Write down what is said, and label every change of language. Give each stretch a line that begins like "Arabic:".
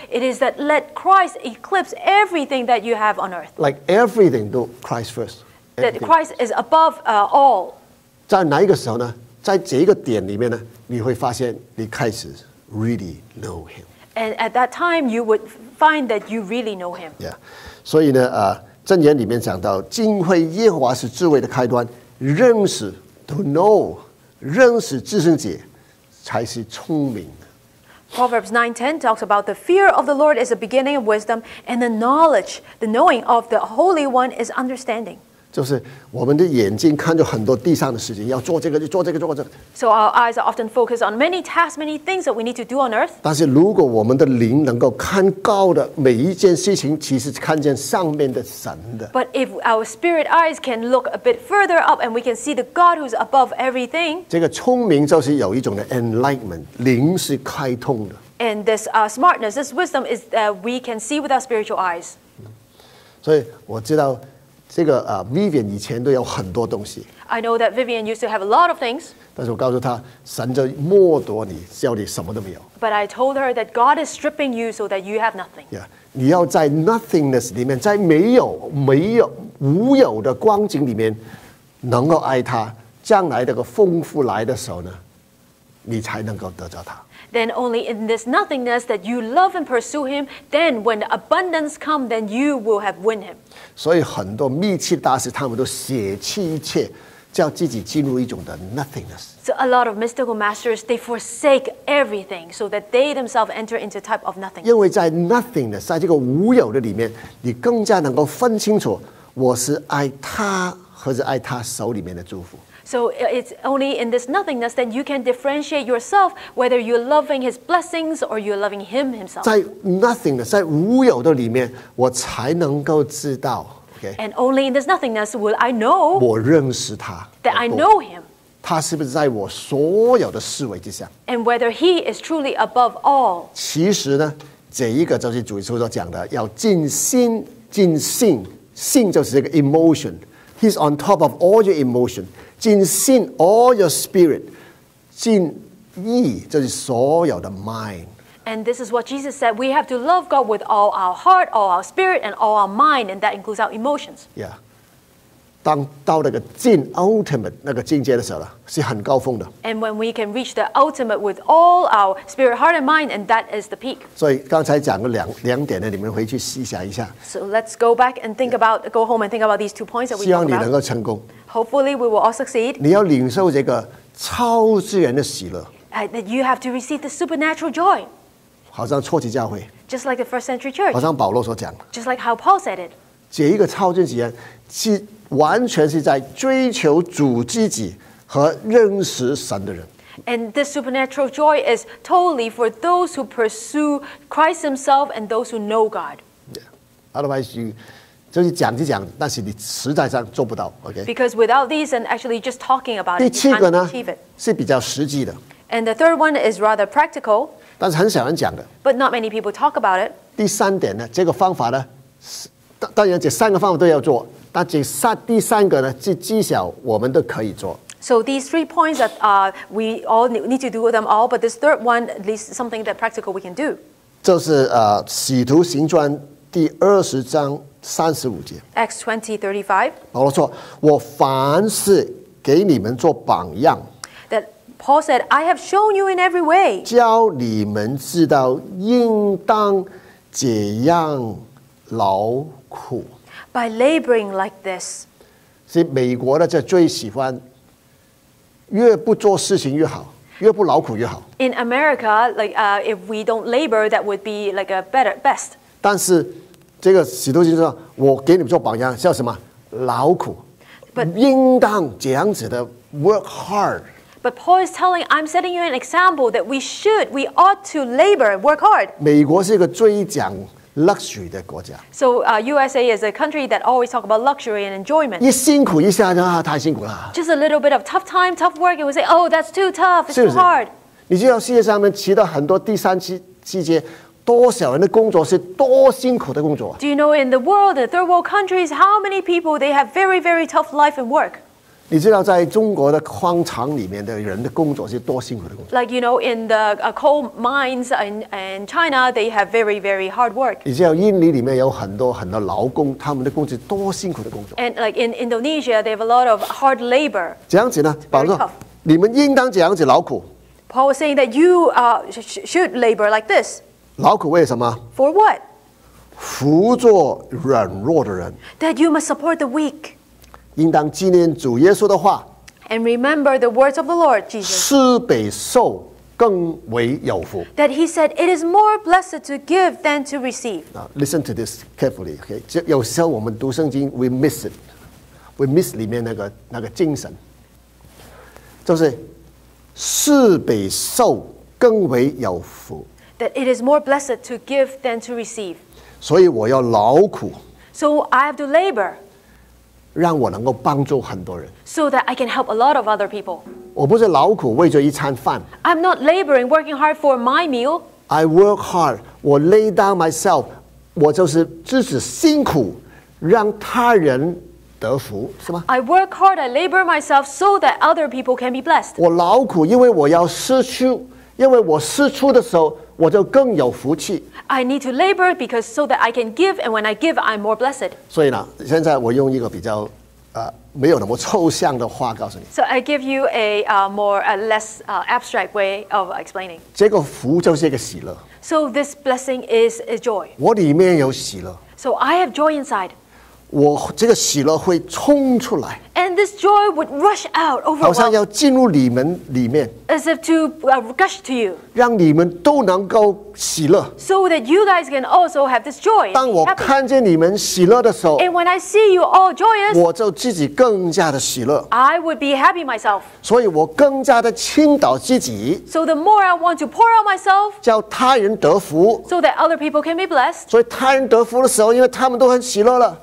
English: It is that let Christ eclipse everything that you have on earth. Like everything, do Christ first. That Christ is above all.
Chinese: 在哪一个时候呢？在这个点里面呢，你会发现你开始
English: really know him. And at that time, you would find that you really know him. Yeah.
Chinese: 所以呢，箴言里面讲到，敬畏耶和华是智慧的开端。认识 ，
English: to know，
Chinese: 认识至圣者，才是聪明。
English: Proverbs 9:10 talks about the fear of the Lord is the beginning of wisdom, and the knowledge, the knowing of the Holy One is understanding.
Chinese: 就是我们的眼睛看着很多地上的事情，要做这个，做这个，做这个。
English: So our eyes are often focused on many tasks, many things that we need to do on earth.
Chinese: 但是如果我们的灵能够看高的每一件事情，其实看见上面的神的。
English: But if our spirit eyes can look a bit further up and we can see the God who's above everything.
Chinese: 这个聪明就是有一种的 enlightenment， 灵是开通的。
English: And this smartness, this wisdom is that we can see with our spiritual eyes.
Chinese: 所以我知道。这个Vivian 以前都有很多东西。
English: I know that Vivian used to have a lot of things.
Chinese: 但是我告诉她，神就剥夺你，叫你什么都没有。
English: But I told her that God is stripping you so that you have nothing.
Chinese: Yeah, 你要在 nothingness 里面，在没有无有的光景里面，能够爱他，将来这个丰富来的时候呢，你才能够得着他。
English: Then only in this nothingness that you love and pursue him, then when the abundance comes, then you will have won him.
Chinese: 所以很多密契大师他们都舍弃一切，叫自己进入一种的 nothingness.
English: So a lot of mystical masters, they forsake everything so that they themselves enter into a type of nothing.
Chinese: 因为在 nothingness, 在这个无有的里面，你更加能够分清楚我是爱他或是爱他手里面的祝福。
English: So it's only in this nothingness that you can differentiate yourself whether you're loving his blessings or you're loving him himself.
Chinese: 在 nothingness, 在无有的里面我才能够知道、okay?
English: And only in this nothingness will I know
Chinese: 我认识他
English: that I know him.
Chinese: 他是不是在我所有的思维之下
English: And whether he is truly above all.
Chinese: 其实呢这一个就是主耶稣所讲的要尽心尽性性就是这个 emotion.
English: He's on top of all your emotion.
Chinese: 尽心
English: all your spirit
Chinese: 尽意，就是所有的 mind。
English: And this is what Jesus said: we have to love God with all our heart, all our spirit, and all our mind, and that includes our emotions.
Chinese: Yeah. 当到那个尽 ultimate 那个境界的时候是很高峰的。
English: And when we can reach the ultimate with all our spirit, heart, and mind, and that is the peak.
Chinese: 所以刚才讲了两点呢，你们回去细想一下。
English: So let's go back and think about, go home and think about these two points that we talked about.
Chinese: 希望你能够成功。
English: Hopefully, we will all succeed.
Chinese: 你要领受这个超自然的喜乐。
English: That you have to receive the supernatural joy.
Chinese: 好像初期教会
English: Just like the first century church.
Chinese: 好像保罗所讲
English: Just like how Paul said it.
Chinese: 这一个超自然喜乐是完全是在追求主自己和认识神的人
English: And this supernatural joy is totally for those who pursue Christ himself and those who know God.
Chinese: Yeah.
English: Otherwise, you
Chinese: 就是讲就讲但是你实在上做不到 OK?
English: Because without these and actually just talking about it, you can't achieve it.
Chinese: 是比较实际的
English: And the third one is rather practical.
Chinese: 但是很少人讲的。
English: But not many people talk about it.
Chinese: 第三点呢，这个方法呢，当然这三个方法都要做，但这第三个呢，是至少我们都可以做。
English: So these three points that we all need to do them all, but this third one at least something that practical we can do.
Chinese: 就是使徒行传第二十章三十五节。
English: Acts 20:35.
Chinese: 保罗说：“我凡事给你们做榜样。”
English: That. Paul said, I have shown you in every way.
Chinese: 教你们知道应当这样劳苦。
English: By laboring like this.
Chinese: 是美国的就最喜欢越不做事情越好越不劳苦越好。
English: In America, like, if we don't labor, that would be like a better, best.
Chinese: 但是这个使徒就说我给你们做榜样叫什么劳苦。
English: But,
Chinese: 应当这样子的
English: work hard. But Paul is telling, I'm setting you an example that we should, we ought to labor and work hard.
Chinese: 美国是一个最讲 luxury 的国家。
English: So USA is a country that always talk about luxury and enjoyment.
Chinese: 一辛苦一下啊，太辛苦了。
English: Just a little bit of tough time, tough work, and we say, oh, that's too tough, it's too hard.
Chinese: 你知道世界上面提到很多第三世界多少人的工作是多辛苦的工作。
English: Do you know in the world, the third world countries, how many people, they have very, very tough life and work?
Chinese: 你知道在中国的矿场里面的人的工作是多辛苦的工作
English: Like you know in the coal mines in China they have very very hard work
Chinese: 你知道印尼里面有很多很多劳工他们的工作是多辛苦的工作
English: And like in Indonesia they have a lot of hard labor
Chinese: 这样子呢保罗你们应当这样子劳苦
English: Paul was saying that you should labor like this
Chinese: 劳苦为什么
English: For what?
Chinese: 扶助软弱的人
English: That you must support the weak
Chinese: 应当纪念主耶稣的话
English: And remember the words of the Lord Jesus
Chinese: 施比受更为有福
English: That he said it is more blessed to give than to receive Now, Listen to this carefully okay?
Chinese: 有时候我们读圣经
English: We miss it We miss
Chinese: 里面那个精神就是施比受更为有福
English: That it is more blessed to give than to receive
Chinese: 所以我要劳苦
English: So I have to labor
Chinese: 让我能够帮助很多人
English: so that I can help a lot of other people
Chinese: 我不是劳苦为着一餐饭
English: I'm not laboring, working hard for my meal I work hard,
Chinese: 我
English: lay down myself
Chinese: 我就是自己辛苦让他人得福是吗
English: I work hard, I labor myself so that other people can be blessed
Chinese: 我劳苦因为我要施出因为我施出的时候我就更有福气
English: I need to labor because so that I can give and when I give I'm more blessed
Chinese: 所以呢现在我用一个比较没有那么抽象的话告诉你
English: So I give you a more a less abstract way of explaining
Chinese: 这个福就是一个喜乐
English: So this blessing is a joy
Chinese: 我里面有喜乐
English: So I have joy inside
Chinese: 我这个喜乐会冲出来
English: And this joy would rush out over
Chinese: 好像要进入你们里面
English: As if to gush to you
Chinese: 让你们都能够喜乐
English: So that you guys can also have this joy
Chinese: 当我看见你们喜乐的时候
English: And when I see you all joyous
Chinese: 我就自己更加的喜乐
English: I would be happy myself
Chinese: 所以我更加的倾倒自己
English: So the more I want to pour out myself
Chinese: 叫他人得福
English: So that other people can be blessed
Chinese: 所以他人得福的时候因为他们都很喜乐了